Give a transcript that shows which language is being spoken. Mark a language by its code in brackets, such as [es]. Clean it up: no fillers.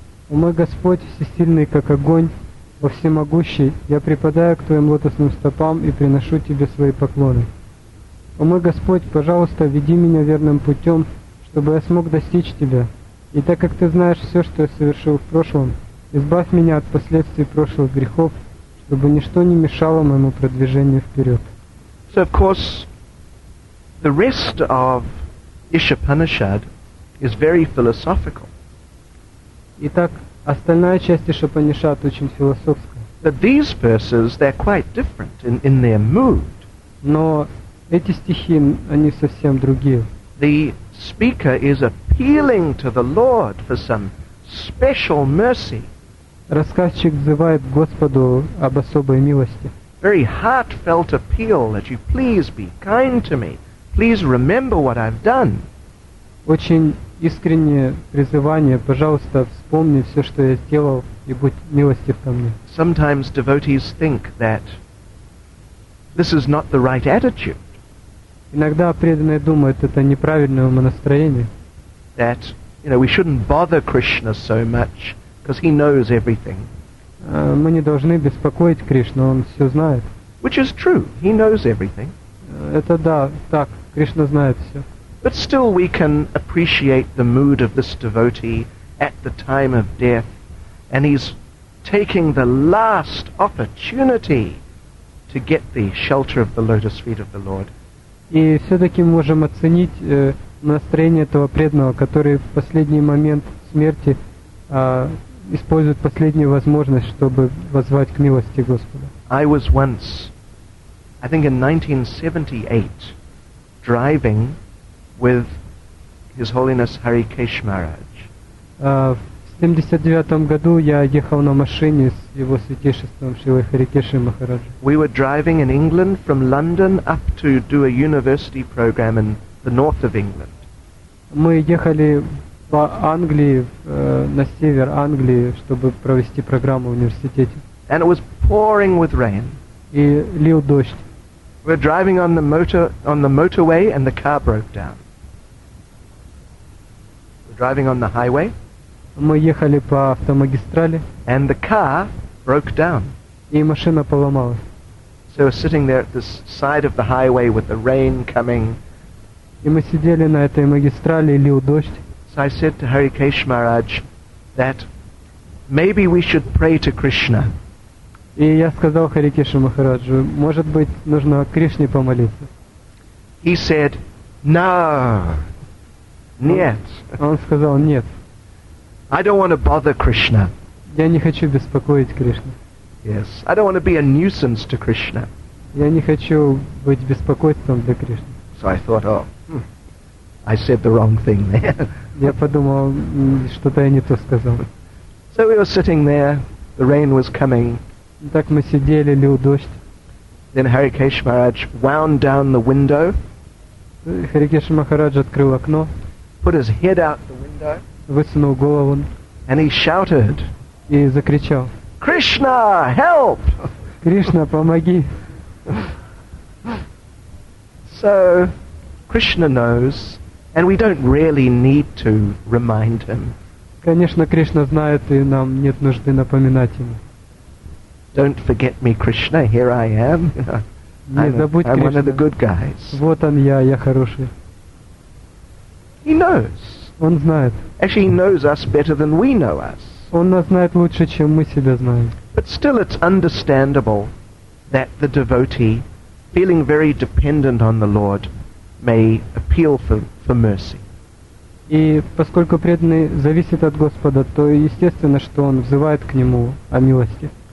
[ru] О мой Господь, всесильный как огонь, о всемогущий, я припадаю к твоим лотосным стопам и приношу тебе свои поклоны. О мой Господь, пожалуйста, веди меня верным путем, чтобы я смог достичь тебя. И так как ты знаешь все, что я совершил в прошлом, избавь меня от последствий прошлых грехов, чтобы ничто не мешало моему продвижению вперед. [en] So of course, the rest of Ishapanishad is very philosophical. [ru] Итак, остальная часть Ишапанишад очень философская. [en] But these verses, they're quite different in their mood. [ru] Но эти стихи, они совсем другие. [en] The speaker is appealing to the Lord for some special mercy. [ru] Рассказчик взывает Господу об особой милости. [en] Very heartfelt appeal that you please be kind to me. Please remember what I've done. [ru] Очень искреннее призывание, пожалуйста, вспомни все, что я сделал, и будь милостив ко мне. [en] Sometimes devotees think that this is not the right attitude. [ru] Иногда преданные думают, это неправильное умонастроение. [en] That you know, we shouldn't bother Krishna so much because he knows everything. [ru] Мы не должны беспокоить Кришну, он все знает. [en] Which is true. He knows everything. [ru] Это да, так, Кришна знает все. [en] But still we can appreciate the mood of this devotee at the time of death, and he's taking the last opportunity to get the shelter of the lotus feet of the Lord. [ru] И все-таки мы можем оценить настроение этого преданного, который в последний момент смерти использует последнюю возможность, чтобы воззвать к милости Господа. [en] I was once, I think in 1978, driving with His Holiness Hari Kesh Maharaj. [ru] В 79-м году я ехал на машине с Его Святейшеством Шрилой Хари Кешей Махараджи. [en] We were driving in England from London up to do a university program in the north of England. [ru] Мы ехали по Англии, на север Англии, чтобы провести программу в университете. [en] And it was pouring with rain. [ru] И лил дождь. [en] We were driving on the motor on the motorway and the car broke down. Driving on the highway. [ru] Мы ехали по автомагистрали. [en] And the car broke down. [ru] И машина поломалась. [en] So we're sitting there at this side of the highway with the rain coming. [ru] И мы сидели на этой магистрали, и лил дождь. [en] So I said to Hari Kesh Maharaj that maybe we should pray to Krishna. [ru] И я сказал Хари Кеша Махараджу, может быть, нужно Кришне помолиться. [en] He said, no. [ru] Нет. Он сказал, нет. [en] I don't want to bother Krishna. [ru] Я не хочу беспокоить Кришну. [en] Yes. I don't want to be a nuisance to Krishna. [ru] Я не хочу быть беспокойством для Кришны. [en] So I thought, oh, I said the wrong thing there. [ru] Я подумал, что-то я не то сказал. [en] So we were sitting there, the rain was coming. [ru] Так мы сидели, лил дождь. [en] Then Hari Kesh Maharaj wound down the window. [ru] Хари Кеша Махарадж открыл окно. [en] Put his head out the window. [ru] Высунул голову. [en] And he shouted. [ru] И закричал. [en] Krishna, help! [ru] Кришна, помоги! [en] So, Krishna knows, and we don't really need to remind him. [ru] Конечно, Кришна знает, и нам нет нужды напоминать ему. [en] Don't forget me, Krishna. Here I am. I'm one of the good guys. [ru] Вот он я хороший. [en] He knows. [ru] Он знает. [en] Actually, he knows us better than we know us. [ru] Он нас знает лучше, чем мы себя знаем. [en] But still, it's understandable that the devotee, feeling very dependent on the Lord, may appeal for mercy. [ru] И поскольку преданный зависит от Господа, то естественно, что он взывает к нему о милости.